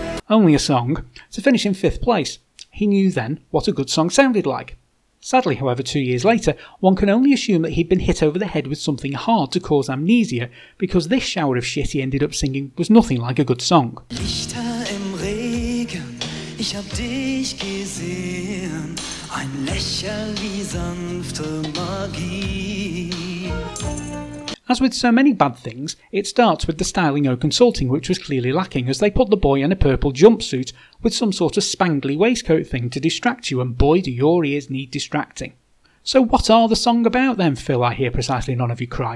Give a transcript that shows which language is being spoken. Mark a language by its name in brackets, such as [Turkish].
[English] Only a song, to finish in 5th place. He knew then what a good song sounded like. Sadly, however, 2 years later, one can only assume that he'd been hit over the head with something hard to cause amnesia, because this shower of shit he ended up singing was nothing like a good song. [German] Lichter im Regen, ich hab dich gesehen, ein Lächeln wie sanfte Magie. [English] As with so many bad things, it starts with the styling no consulting, which was clearly lacking, as they put the boy in a purple jumpsuit with some sort of spangly waistcoat thing to distract you, and boy do your ears need distracting. So what are the song about then, Phil, I hear precisely none of you cry?